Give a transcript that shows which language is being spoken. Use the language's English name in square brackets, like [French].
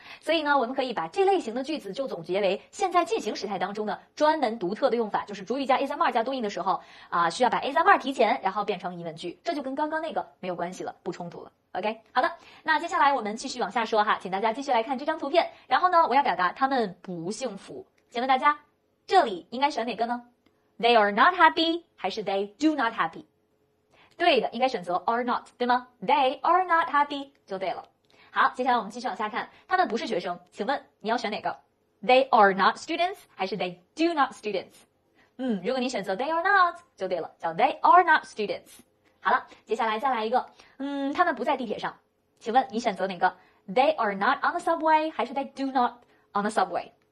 [Chinese] 所以呢，我们可以把这类型的句子就总结为现在进行时态当中的专门独特的用法，就是主语加 is、am、are 加 doing 的时候需要把 is、am、are 提前，然后变成疑问句，这就跟刚刚那个没有关系了，不冲突了。 OK， 好的，那接下来我们继续往下说哈，请大家继续来看这张图片。然后呢，我要表达他们不幸福，请问大家，这里应该选哪个呢？ [English] They are not happy [Chinese] 还是 [English] they do not happy? [Chinese] 对的，应该选择 [English] are not, [Chinese] 对吗？ [English] They are not happy [Chinese] 就对了。好，接下来我们继续往下看，他们不是学生，请问你要选哪个？ [English] They are not students [Chinese] 还是 [English] they do not students? [Chinese] 如果你选择 [English] they are not [Chinese] 就对了，叫 [English] they are not students。 [Chinese] 好了，接下来再来一个，他们不在地铁上，请问你选择哪个？ [English] They are not on the subway [Chinese] 还是 [English] they do not on the subway?